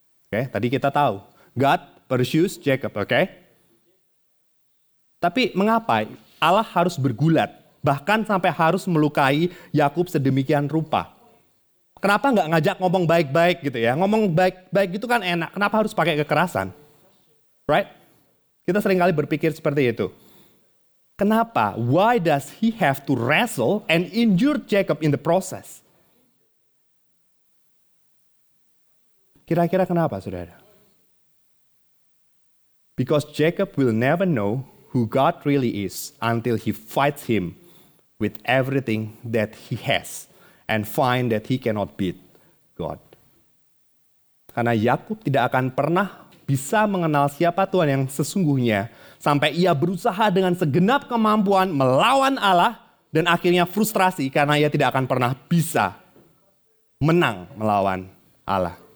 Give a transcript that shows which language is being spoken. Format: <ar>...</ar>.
<id>Oke, tadi kita tahu,</id> <en>God pursues Jacob,</en> <id>oke? Tapi mengapa Allah harus bergulat, bahkan sampai harus melukai Yakub sedemikian rupa? Kenapa nggak ngajak ngomong baik-baik gitu ya? Ngomong baik-baik itu kan enak. Kenapa harus pakai kekerasan?</id> <en>Right?</en> <id>Kita seringkali berpikir seperti itu. Kenapa?</id> <en>Why does he have to wrestle and injure Jacob in the process?</en> <id>Kira-kira kenapa, saudara?</id> <en>Because Jacob will never know who God really is until he fights him with everything that he has, and find that he cannot beat God.</en> <id>Karena Yakub tidak akan pernah bisa mengenal siapa Tuhan yang sesungguhnya. Sampai ia berusaha dengan segenap kemampuan melawan Allah. Dan akhirnya frustrasi karena ia tidak akan pernah bisa menang melawan Allah.</id>